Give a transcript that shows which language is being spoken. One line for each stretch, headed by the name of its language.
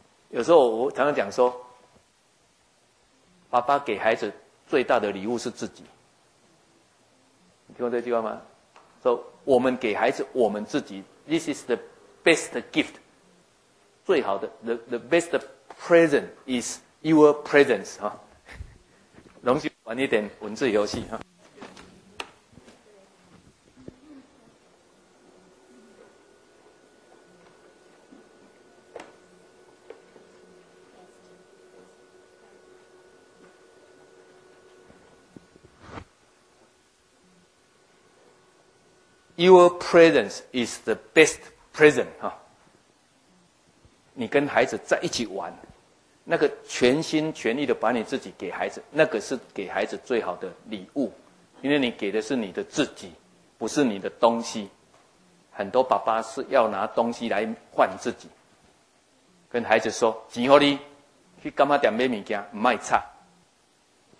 Chinese: 有时候我常常讲说，爸爸给孩子最大的礼物是自己，你听过这句话吗？说我们给孩子我们自己 ，
English: This is the best gift，
Chinese: 最好的
English: the best present is your presence
Chinese: 哈、啊，容许玩一点文字游戏哈。
English: 啊Your presence is the best present.
Chinese: 你跟孩子在一起玩，那个全心全意的把你自己给孩子，那个是给孩子最好的礼物，因为你给的是你的自己，不是你的东西。很多爸爸是要拿东西来换自己，跟孩子说：“钱给你，去干嘛店买物件，唔卖差。”